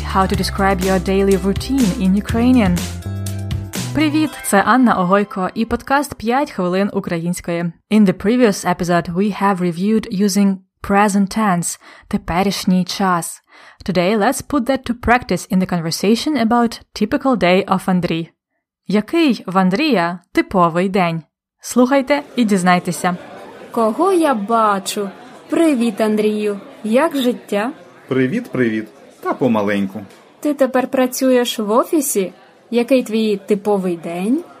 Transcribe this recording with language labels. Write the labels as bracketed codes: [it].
[en] How to describe your daily routine in Ukrainian. [uk] Привіт, це Анна Огойко і подкаст 5 хвилин української. [en] In the previous episode, we have reviewed using present tense, [uk] теперішній час. [en] Today, let's put that to practice in the conversation about typical day of Андрій. [uk] Який в Андрія типовий день? Слухайте і дізнайтеся. Кого я бачу? Привіт, Андрію. Як життя? Привіт, привіт. Та помаленьку. Ти тепер працюєш в офісі? Який твій типовий день?